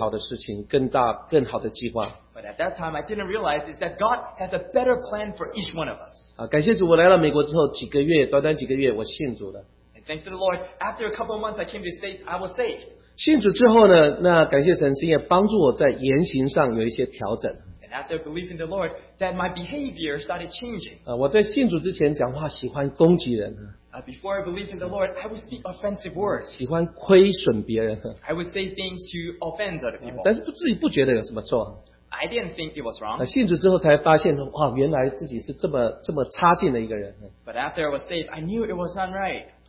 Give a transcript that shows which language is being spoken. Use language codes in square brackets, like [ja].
[zh] 可是当时我有一件事情我所不知道，就是说神在每一个人身上都有更大、更好的事情，更大、更好的计划。 [en] But at that time, I didn't realize is that God has a better plan for each one of us. [zh] 感谢主，我来到美国之后几个月，短短几个月，我信主了。 [en] And thanks to the Lord, after a couple of months, I came to the States, I was saved. [zh] 信主之后呢，那感谢神，神也帮助我在言行上有一些调整。 [en] And after believing the Lord, that my behavior started changing. [zh] 我在信主之前讲话喜欢攻击人。 [en] Before I believed in the Lord, I would speak offensive words. [zh] 喜欢亏损别人。 [en] I would say things to offend other people. [zh] 但是不自己不觉得有什么错。 [en] I didn't think it was wrong. [zh] 信主之后才发现，哇，原来自己是这么差劲的一个人。 [en] But after I was saved, I knew it was not right.